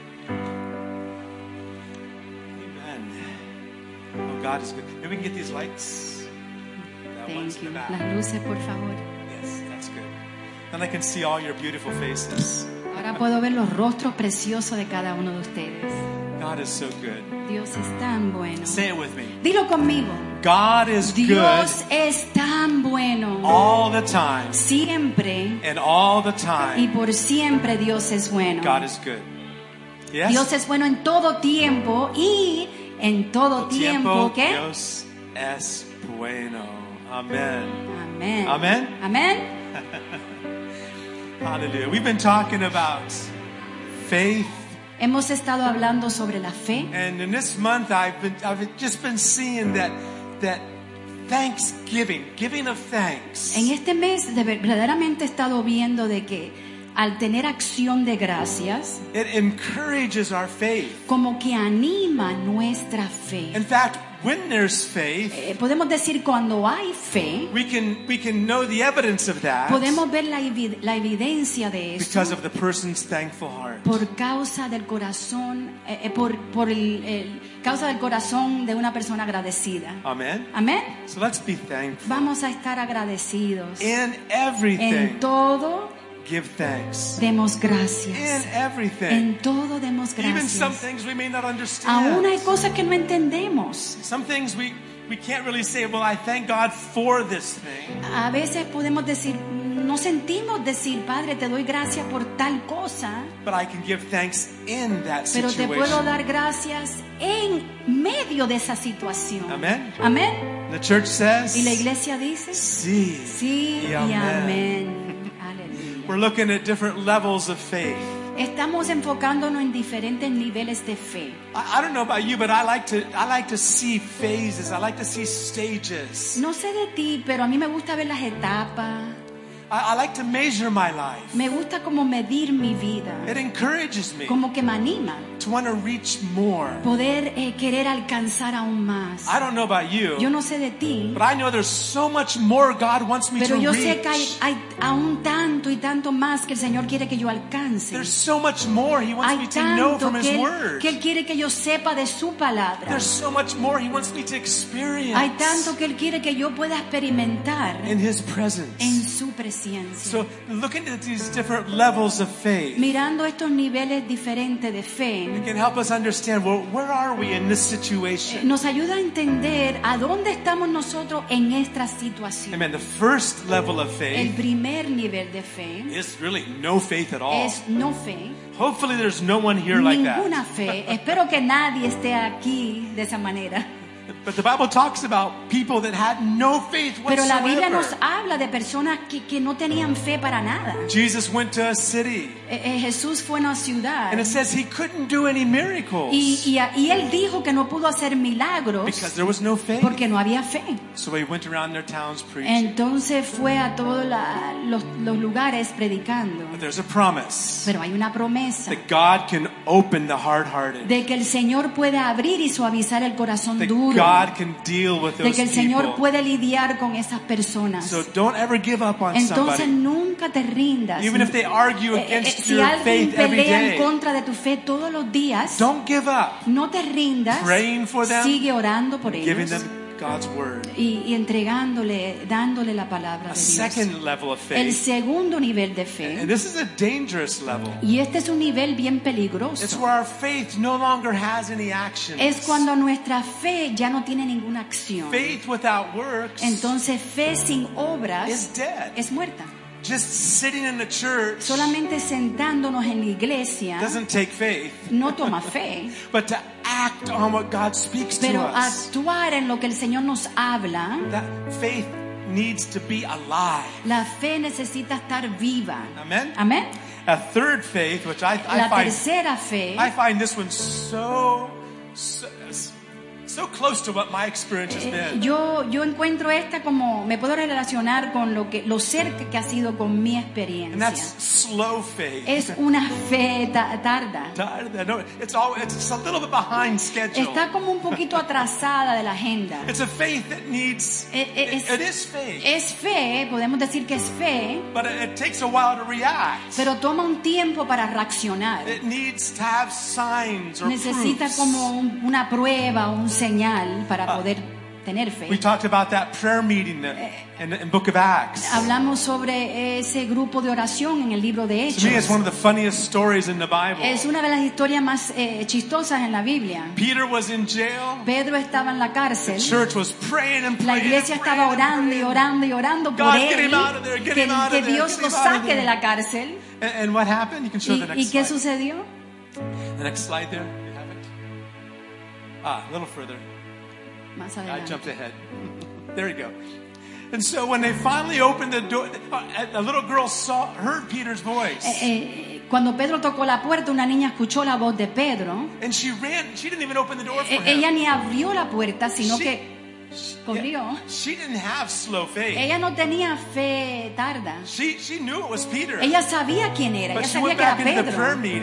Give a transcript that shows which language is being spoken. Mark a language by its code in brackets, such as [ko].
[en] Amen. Oh, God is good. Maybe we can get these lights. That one's in the back. [es] Las luces, por favor. [en] Yes, that's good. Then I can see all your beautiful faces. [es] Ahora puedo ver los rostros preciosos de cada uno de ustedes. [en] God is so good. [es] Dios es tan bueno. [en] Say it with me. [es] Dilo conmigo. [en] God is [es] Dios [en] good. [es] Es tan bueno. [en] All the time. [es] Siempre. [en] And all the time. [es] Y por siempre Dios es bueno. [en] God is good. Yes. [es] Dios es bueno en todo tiempo y en todo tiempo, tiempo ¿qué? Dios es bueno. Amen. Amen. Amen. Amen. [en] Hallelujah. We've been talking about faith. [es] Hemos estado hablando sobre la fe. [en] And in this month I've just been seeing that thanksgiving, giving of thanks. [es] En este mes verdaderamente he estado viendo de que al tener acción de gracias, [en] it encourages our faith. [es] Como que anima nuestra fe. [en] In fact, when there's faith, [es] podemos decir cuando hay fe, [en] we can know the evidence of that. [es] Podemos ver la evidencia de eso. [en] Because of the person's thankful heart. [es] Por causa del corazón, por el causa del corazón de una persona agradecida. Amen. Amen. [en] So let's be thankful. [es] Vamos a estar agradecidos. [en] In everything. [es] En todo. [en] Give thanks. [es] Demos gracias. [en] In everything. [es] En todo demos gracias. [en] Even some things we may not understand. [es] Aún hay cosas que no entendemos. [en] Some things we can't really say, well, I thank God for this thing. [es] A veces podemos decir, no sentimos decir, Padre, te doy gracias por tal cosa. [en] But I can give thanks in that situation. [es] Pero te puedo dar gracias en medio de esa situación. Amen. Amen. [en] The church says. [es] Y la iglesia dice. Sí. Sí y amén. [en] Amen. We're looking at different levels of faith. [es] Estamos enfocándonos en diferentes niveles de fe. [en] I don't know about you, but I like to see phases. I like to see stages. [es] No sé de ti, pero a mí me gusta ver las etapas. [en] I like to measure my life. [es] Me gusta como medir mi vida. [en] It encourages me. [es] Como que me anima. [en] To want to reach more. [es] Poder querer alcanzar aún más. [en] I don't know about you. [es] Yo no sé de ti. [en] But I know there's so much more God wants me to reach. [es] Pero yo sé que hay aún tanto y tanto más que el Señor quiere que yo alcance. [en] There's so much more He wants me to know from His word. [es] Que él quiere que yo sepa de su palabra. [en] There's so much more He wants me to experience. [es] Hay tanto que él quiere que yo pueda experimentar. [en] In His presence. [es] En su presencia. [en] So looking at these different levels of faith. [es] Mirando estos niveles diferentes de fe. [en] It can help us understand, well, where are we in this situation? [es] Nos ayuda a entender a dónde estamos nosotros en esta situación. [en] Amen. The first level of faith. [es] El primer nivel de fe. [en] Is really no faith at all. [es] Es no fe. [en] Hopefully, there's no one here [es] ninguna [en] like that. [es] Ninguna fe. Espero que nadie esté aquí de esa manera. [en] But the Bible talks about people that had no faith whatsoever. [es] Pero la Biblia nos habla de personas que no tenían fe para nada. [en] Jesus went to a city. [es] Jesús fue a una ciudad. [en] And it says he couldn't do any miracles. [es] Y él dijo que no pudo hacer milagros. [en] Because there was no faith. [es] Porque no había fe. [en] So he went around their towns preaching. [es] Entonces fue a todos los lugares predicando. [en] But there's a promise. [es] Pero hay una promesa. [en] That God can open the hard-hearted. [es] De que el Señor puede abrir y suavizar el corazón duro. [en] God can deal with those [es] de que el Señor [en] people. [es] Puede lidiar con esas personas. [en] So don't ever give up on [es] entonces [en] somebody. [es] Nunca te rindas. [en] Even if they argue against [es] si [en] your faith every day. [es] Si alguien pelea en contra de tu fe todos los días. [en] Don't give up. [es] No te rindas. [en] Praying for them. [es] Sigue orando por ellos. [en] Giving them God's word. [es] Y entregándole, dándole la palabra a de Dios. [en] A second level of faith. [es] El segundo nivel de fe. [en] And this is a dangerous level. [es] Y este es un nivel bien peligroso. [en] It's where our faith no longer has any action. [es] Es cuando nuestra fe ya no tiene ninguna acción. [en] Faith without works. [es] Entonces fe sin obras. [en] Is dead. [es] Es muerta. [en] Just sitting in the church. [es] Solamente sentándonos en la iglesia. [en] Doesn't take faith. [es] No toma fe. [en] But to act on what God speaks to us. [es] Pero actuar en lo que el Señor nos habla. [en] That faith needs to be alive. [es] La fe necesita estar viva. Amen. Amen. [en] A third faith, which I [es] la [en] find. [es] La tercera fe. [en] I find this one so so close to what my experience has been. [es] Yo encuentro esta como me puedo relacionar con lo cerca que ha sido con mi experiencia. [en] And that's slow faith. [es] Es una fe tarda. [en] Tarda. No, it's a little bit behind schedule. [es] Está como un poquito atrasada de la agenda. [en] It's a faith that needs. It is faith. [es] Es fe. Podemos decir que es fe. [en] But it takes a while to react. [es] Pero toma un tiempo para reaccionar. [en] It needs to have signs or [es] necesita [en] proofs. [es] Como una prueba. Un señal para poder tener fe. [en] We talked about that prayer meeting in Book of Acts. [es] Hablamos sobre ese grupo de oración en el libro de Hechos. [en] To me, it's one of the funniest stories in the Bible. [es] Es una de las historias más chistosas en la Biblia. [en] Peter was in jail. [es] Pedro estaba en la cárcel. [en] The church was praying and praying. [es] La iglesia estaba orando y orando y orando por él. [en] God, get him out of there! Get him out of [es] there! Que Dios lo saque de la cárcel. [en] And what happened? You can show the next slide. [es] ¿Y qué sucedió? [en] The next slide there. A little further. [es] Más adelante. [en] I jumped ahead. There you go. And so when they finally opened the door, a little girl heard Peter's voice. [es] Cuando Pedro tocó la puerta, una niña escuchó la voz de Pedro. [en] And she ran. She didn't even open the door for him. [es] Ella ni abrió la puerta, sino que corrió. [en] She didn't have slow faith. [es] Ella no tenía fe tarda. [en] She knew it was Peter. [es] Ella sabía quién era. [en] But [es] ella sabía que era Pedro.